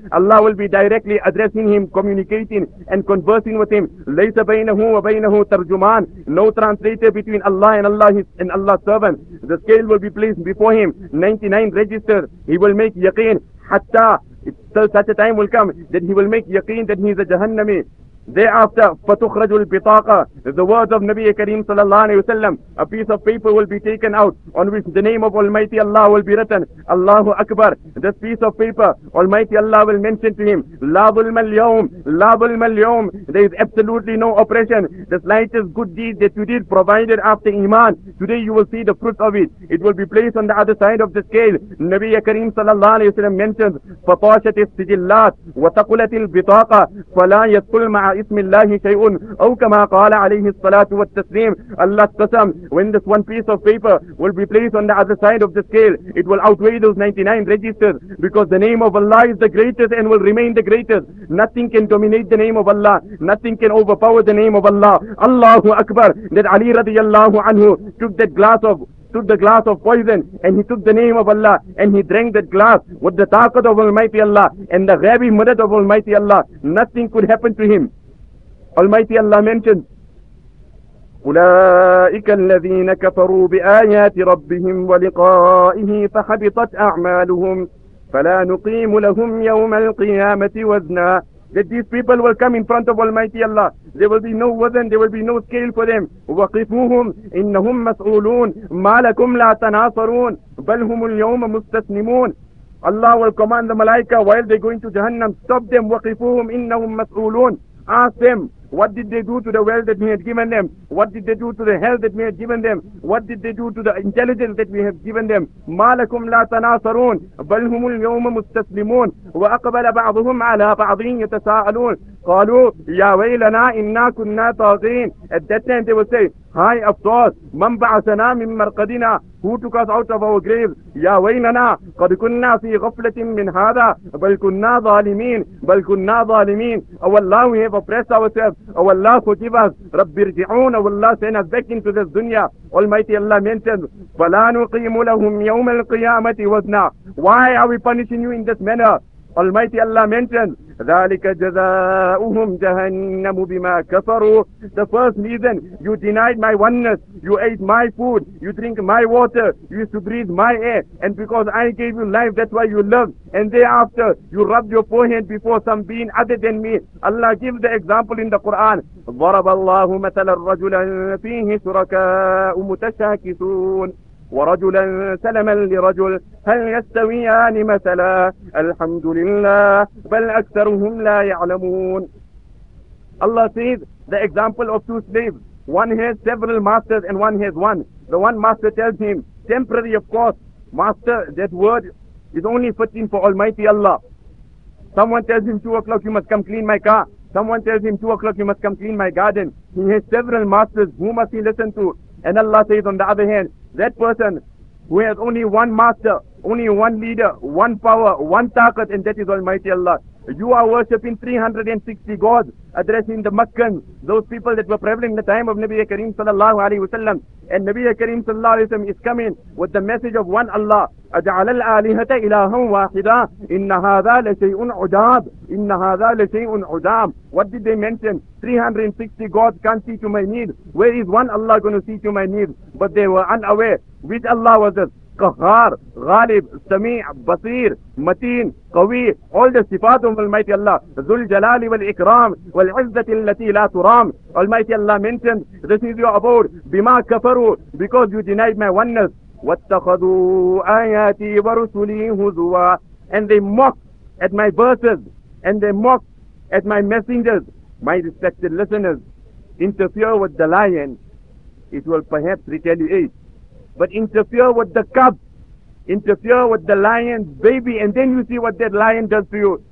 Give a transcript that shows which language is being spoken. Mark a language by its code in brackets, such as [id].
[en] Allah will be directly addressing him, communicating and conversing with him. [ar] لَيْسَ بَيْنَهُ وَبَيْنَهُ تَرْجُمَانَ. [en] No translator between Allah and Allah and Allah's servant. The scale will be placed before him. 99 registers. He will make yaqeen. Such a time will come that he will make yaqeen that he is a Jahannami. [ar] Thereafter, فَتُخْرَجُ الْبِطَاقَةِ. [en] The words of Nabi Kareem sallallahu alayhi wa sallam, a piece of paper will be taken out on which the name of Almighty Allah will be written. Allahu Akbar. This piece of paper, Almighty Allah will mention to him, [ar] لَا ظُلْمَ الْيَوْمِ لَا ظُلْمَ الْيَوْمِ. [en] There is absolutely no oppression. The slightest good deed that you did provided after Iman, today you will see the fruit of it. It will be placed on the other side of the scale. [ar] Nabi Kareem sallallahu alayhi wa sallam mentions, فَطَاشَتِ السِّجِلَّاتِ وَتَقُلَتِ الْبِطَاقَةِ فَلَا يَدْخُلْ مَعَ اسم الله شيء او كما قال عليه الصلاه والتسليم. [en] Allah qasam, when this one piece of paper will be placed on the other side of the scale, it will outweigh those 99 registers, because the name of Allah is the greatest and will remain the greatest. Nothing can dominate the name of Allah. Nothing can overpower the name of Allah. Allahu Akbar. That Ali radiyallahu anhu took that glass of took the glass of poison and he took the name of Allah and he drank that glass with the taqat of Almighty Allah and the ghaibi madad of Almighty Allah. Nothing could happen to him. Almighty Allah mentioned, [ar] أولئك الذين كفروا بآيات ربهم ولقائه فحبطت أعمالهم فلا نقيم لهم يوم القيامة وزنا. [en] That these people will come in front of Almighty Allah. There will be no wazan, there will be no scale for them. [ar] وَقِفُوهُمْ إِنَّهُمْ مَسْئُولُونَ مَا لَكُمْ لَا تَنَاصَرُونَ بَلْ هُمُ الْيَوْمَ مُسْتَسْنِمُونَ. [en] Allah will command the malaika while they're going to Jahannam. Stop them. [ar] وَقِفُوهُمْ إِنَّهُمْ مَسْئُولُونَ. [en] Ask them, what did they do to the wealth that we had given them? What did they do to the health that we had given them? What did they do to the intelligence that we have given them? [ar] مَا لَكُمْ لَا تَنَاصَرُونَ بَلْ هُمُ الْيَوْمَ مُسْتَسْلِمُونَ وَأَقْبَلَ بَعْضُهُمْ عَلَىٰ بَعْضٍ يَتَسَاءَلُونَ قَالُوا يَا وَيْلَنَا إِنَّا كُنَّا طَاغِينَ. [en] At that time they will say, hi, of course, [ar] مَنْ بَعَثَنَا مِنْ مَرْقَدِنَا. [en] Who took us out of our graves? [ar] يَا وَيْلَنَا قَدْ كُنَّا فِي غَفْلَةٍ مِّنْ هَذَا بَلْ كُنَّا ظَالِمِينَ بَلْ كُنَّا ظَالِمِينَ. [en] Oh Allah, we have oppressed ourselves. Oh Allah, forgive us. [ar] رَبِّ ارْجِعُونَ. [en] Oh Allah, send us back into this dunya. Almighty Allah mentioned, [ar] فَلَا نُقِيمُ لَهُمْ يَوْمَ الْقِيَامَةِ وَزْنًا. [en] Why are we punishing you in this manner? Almighty Allah mentioned, [ar] ذَلِكَ جَزَاؤُهُمْ جَهَنَّمُ بِمَا كَفَرُوا. [en] The first reason, you denied my oneness, you ate my food, you drink my water, you used to breathe my air, and because I gave you life, that's why you love. And thereafter, you rubbed your forehead before some being other than me. Allah gives the example in the Quran. [ar] ضَرَبَ اللَّهُ مَثَلَ الرَّجُلًا فِيهِ شُرَكَاءُ مُتَشَاكِسُونَ ورجلا سلما لرجل هل يستويان مثلا الحمد لله بل أكثرهم لا يعلمون. [en] Allah says the example of two slaves. One has several masters and one has one. The one master tells him, temporary of course, master, that word is only fitting for Almighty Allah. Someone tells him 2 o'clock you must come clean my car. Someone tells him 2 o'clock you must come clean my garden. He has several masters. Who must he listen to? And Allah says on the other hand, that person who has only one master, only one leader, one power, one taqat, and that is Almighty Allah. You are worshipping 360 gods, addressing the Makkans, those people that were prevalent in the time of Nabi Kareem sallallahu alayhi wasallam. And Nabi Kareem sallallahu alayhi wasallam is coming with the message of one Allah. [ar] أَجْعَلَ الْآلِهَةَ إِلَهًا وَاحِدًا إِنَّ هَذَا لَشَيْءٌ عُجَابٌ إِنَّ هَذَا لَشَيْءٌ عُجَابٌ. [en] What did they mention? 360 gods can't see to my need. Where is one Allah going to see to my need? But they were unaware. Which Allah was this? [ar] قهار, غالب, سميع, بصير, متين, قوي, all the صفات of Almighty Allah. ذو الجلال والإكرام والعزة التي لا ترام. [en] Almighty Allah mentioned, this is your abode. [ar] بما كفروا, [en] because you denied my oneness. [ar] واتخذوا آياتي ورسلي هزوا. [en] And they mocked at my verses, and they mocked at my messengers. My respected listeners, interfere with the lion, it will perhaps retaliate. But interfere with the cub, interfere with the lion's baby, and then you see what that lion does to you.